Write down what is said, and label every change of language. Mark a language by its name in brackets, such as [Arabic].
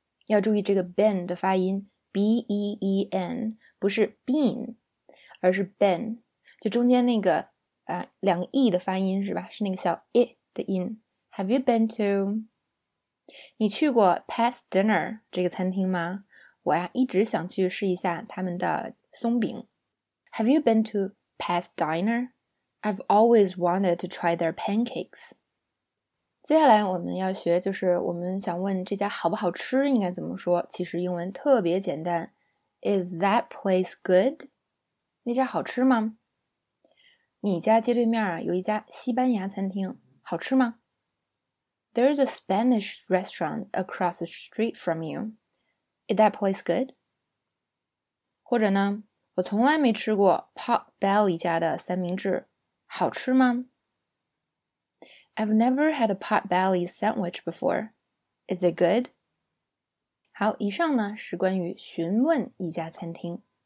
[Chinese] 要注意这个 been 的发音， B-E-E-N, 不是 been, 而是 been, 就中间那个两个 E 的发音，是吧，是那个小 E 的音。 [English] Have you been to? [Chinese] 你去过 past dinner 这个餐厅吗？我呀一直想去试一下他们的松饼。 [English] Have you been to past dinner? I've always wanted to try their pancakes. [Chinese] 接下来我们要学，就是我们想问这家好不好吃应该怎么说。其实英文特别简单， [English] Is that place good? [Chinese] 那家好吃吗？你家街对面啊有一家西班牙餐厅，好吃吗？ [English] There is a Spanish restaurant across the street from you. Is that place good? [Chinese] 或者呢，我从来没吃过 Pork Belly 家的三明治，好吃吗？ [English] I've never had a pot belly sandwich before. Is it good? [Chinese] 好，以上呢是关于询问一家餐厅。